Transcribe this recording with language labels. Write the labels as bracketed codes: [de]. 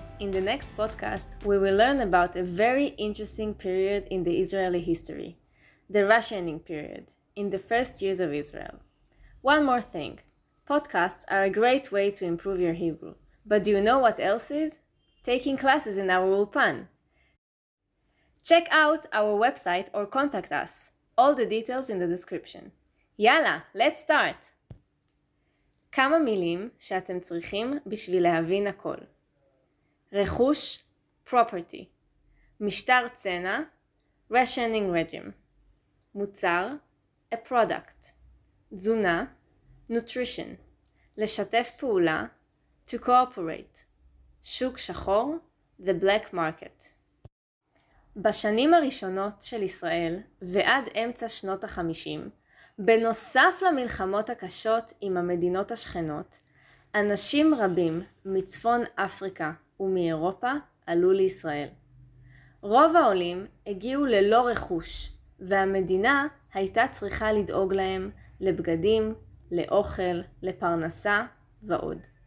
[en] In the next podcast, we will learn about a very interesting period in the Israeli history, the Rationing period, in the first years of Israel. One more thing, podcasts are a great way to improve your Hebrew. But do you know what else is? Taking classes in our Ulpan. Check out our website or contact us. All the details in the description. Yala, let's start! [he] כמה מילים שאתם צריכים בשביל להבין הכל. רכוש, [en] property. [he] משטר צנע, [en] rationing regime. [he] מוצר, [en] a product. [he] תזונה, [en] nutrition. [he] לשתף פעולה, [en] to cooperate. [he] שוק שחור, [en] the black market. [he] בשנים הראשונות של ישראל ועד אמצע שנות ה-50, בנוסף למלחמות הקשות עם המדינות השכנות, אנשים רבים מצפון אפריקה ומאירופה עלו לישראל. רוב העולים הגיעו ללא רכוש, והמדינה הייתה צריכה לדאוג להם לבגדים, לאוכל, לפרנסה ועוד.